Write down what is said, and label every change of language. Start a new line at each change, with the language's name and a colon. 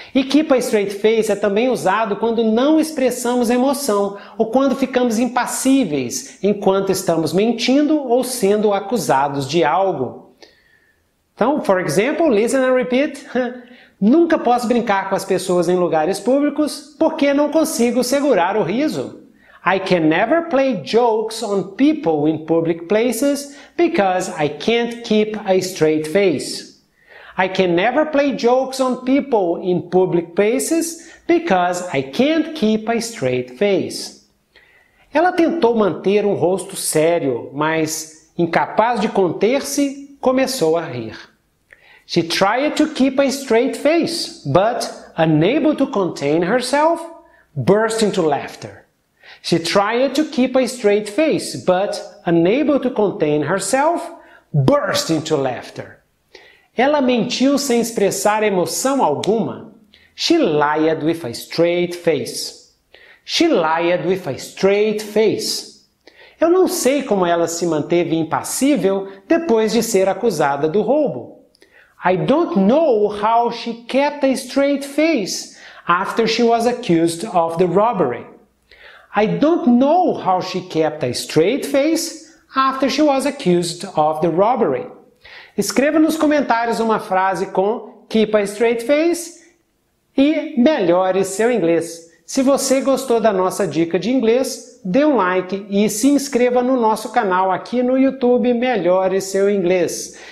Portuguese: E keep a straight face é também usado quando não expressamos emoção ou quando ficamos impassíveis enquanto estamos mentindo ou sendo acusados de algo. Então,
English: for example, listen and repeat.
Portuguese: Nunca posso brincar com as pessoas em lugares públicos porque não consigo segurar o riso.
English: I can never play jokes on people in public places because I can't keep a straight face. I can never play jokes on people in public places because I can't keep a straight face.
Portuguese: Ela tentou manter um rosto sério, mas incapaz de conter-se, começou a rir.
English: She tried to keep a straight face, but unable to contain herself, burst into laughter. She tried to keep a straight face, but unable to contain herself, burst into laughter.
Portuguese: Ela mentiu sem expressar emoção alguma.
English: She lied with a straight face. She lied with a straight face.
Portuguese: Eu não sei como ela se manteve impassível depois de ser acusada do roubo.
English: I don't know how she kept a straight face after she was accused of the robbery. I don't know how she kept a straight face after she was accused of the robbery.
Portuguese: Escreva nos comentários uma frase com keep a straight face e melhore seu inglês. Se você gostou da nossa dica de inglês, dê um like e se inscreva no nosso canal aqui no YouTube Melhore Seu Inglês.